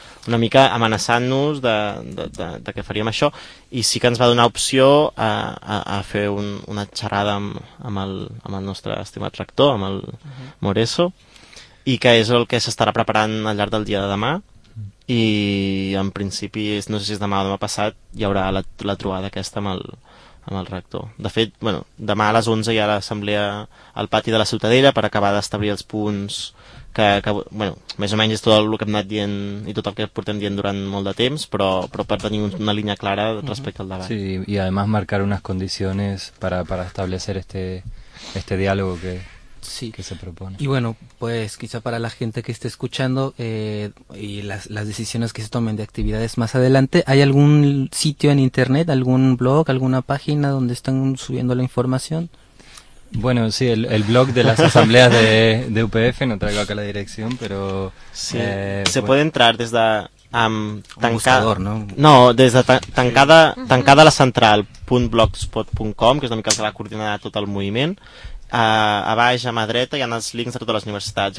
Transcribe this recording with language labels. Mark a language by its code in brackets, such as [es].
[ca] Una mica amenaçant-nos de que faríem això, i sí que ens va donar opció a fer una xerrada amb el nostre estimat rector, amb el Moreso, i que és el que s'estarà preparant al llarg del dia de demà, i en principi, no sé si és demà o demà passat, hi haurà la trobada aquesta amb el rector. De fet, bueno, demà a les 11 hi ha l'assemblea al pati de la Ciutadella per acabar d'establir els punts que bueno, més o menys és tot el que hem anat dient i tot el que portem dient durant molt de temps, però per tenir una línia clara respecte al debat. Sí, i además marcar unes condicions per [es] establecer este diálogo que... [ca] Sí. [es] Que se propone. Y bueno, pues quizá para la gente que esté escuchando y las decisiones que se tomen de actividades más adelante, ¿hay algún sitio en internet, algún blog, alguna página donde están subiendo la información? Bueno, sí, el blog de las asambleas de UPF, no traigo acá la dirección, pero... Sí, puede entrar desde... buscador, ¿no? [ca] No, des de tancadalacentral.blogspot.com, que és una mica el que va coordinar tot el moviment. A baix, a mà dreta, hi ha els links de totes les universitats.